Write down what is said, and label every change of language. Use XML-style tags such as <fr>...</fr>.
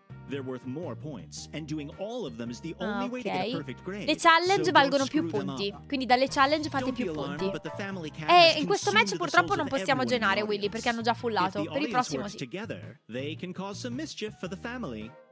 <en>They're worth more points and doing all of them is the only way to get a perfect grade.</en> <it>Le challenge valgono più punti, quindi dalle challenge fate più punti. E in questo match purtroppo non possiamo genare Willy perché hanno già fullato. Per il prossimo sì.</it> <en>They can cause some mischief for the family.</en>